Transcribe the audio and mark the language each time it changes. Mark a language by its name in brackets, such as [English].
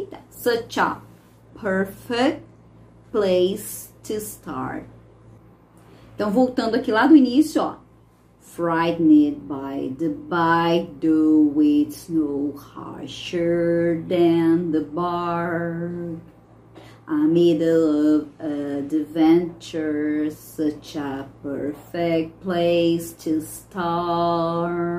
[English] Such a perfect place to start. [Portuguese] Então, voltando aqui lá do início, ó. [English] Frightened by the bite, though it's no harsher than the bark. A middle of adventure, such a perfect place to start.